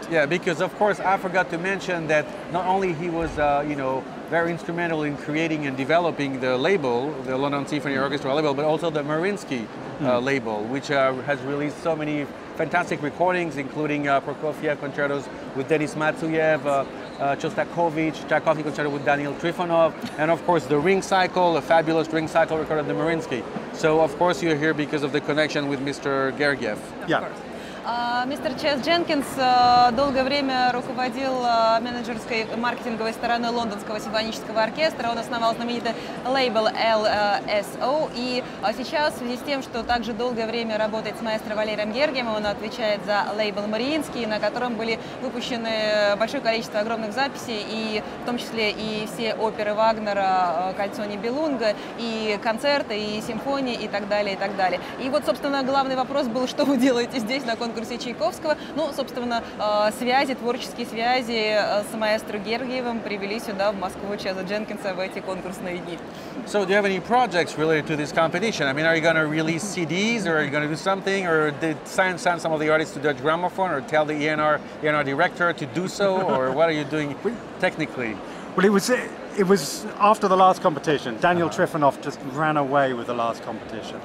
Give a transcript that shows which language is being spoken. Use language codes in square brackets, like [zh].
[en] Yeah, because of course I forgot to mention that not only he was, you know, very instrumental in creating and developing the label, the London Symphony Orchestra label, but also the Mariinsky label, which has released so many fantastic recordings, including Prokofiev concertos with Denis Matsuyev, Chostakovich, Tchaikovsky concerto with Daniel Trifonov, and of course the Ring Cycle, a fabulous Ring Cycle recorded at the Mariinsky. So of course you're here because of the connection with Mr. Gergiev. Of course. [ru] Мистер Чаз Дженкинс долгое время руководил менеджерской маркетинговой стороной Лондонского симфонического оркестра. Он основал знаменитый лейбл LSO. И сейчас, в связи с тем, что также долгое время работает с маэстро Валерием Гергием, он отвечает за лейбл Мариинский, на котором были выпущены большое количество огромных записей, и в том числе и все оперы Вагнера, «Кольцо Нибелунга», и концерты, и симфонии, и так далее, и так далее. И вот, собственно, главный вопрос был, что вы делаете здесь, на конкурсе Чайковского. Ну, собственно, связи, творческие связи с маэстро Гергиевым привели сюда, в Москву, Чаза Дженкинса в эти конкурсные дни. [en] So do you have any projects related to this competition? I mean, are you going to release CDs, or are you going to do something, or did sign some of the artists to Deutsche Grammophon, or tell the ENR director to do so, or what are you doing technically? Well, it was after the last competition. Daniel Trifonov just ran away with the last competition.